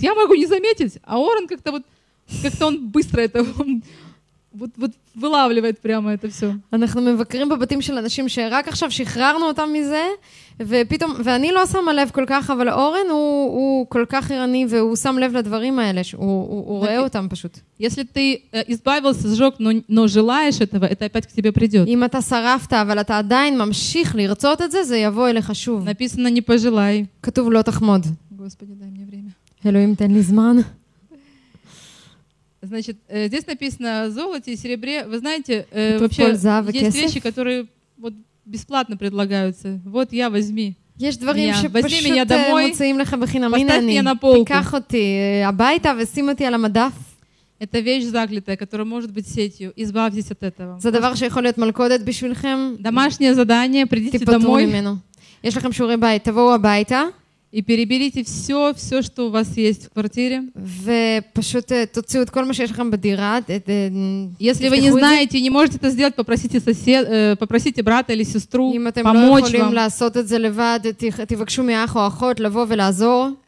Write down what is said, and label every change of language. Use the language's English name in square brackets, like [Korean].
[Russian] Я могу не заметить, а Орен как-то вот, как-то он быстро это... Вот вылавливает прямо это все. [Hebrew] אנחנו מבקרים בבתים של אנשים שרק עכשיו שחררנו אותם מזה, ופתאום, ואני לא שמה לב כל כך, אבל אורן הוא כל כך עירני, והוא שם לב לדברים האלה, שהוא רואה אותם פשוט. [Russian] Если ты избавился, сжег, но желаешь этого, это опять к тебе придет. [Hebrew] אם אתה שרפת, אבל אתה עדיין ממשיך לרצות את זה, זה יבוא אליך שוב. [Russian] Написано, не пожелай. [Hebrew] כתוב, לא תחמוד. [Russian] Господи, дай мне время. [Hebrew] אלוהים, תן לי זמן. [Russian] Значит, здесь написано о золоте и серебре. Вы знаете, вообще есть кесев? Вещи, которые вот бесплатно предлагаются. Вот я, возьми. Есть дворы, что возьми меня домой, поставь меня на полку. Это вещь заклятая, которая может быть сетью. Избавьтесь от этого. [Hebrew] За דבר שיכול להיות מלכודת בשבילכם. [Russian] Домашнее задание, придите домой. [Hebrew] ממנו. יש לכם שיעורי בית, תבואו הביתה. [Russian] И переберите все, все, что у вас есть в квартире. Если вы не знаете, не можете это сделать, попросите соседа, попросите брата или сестру помочь вам.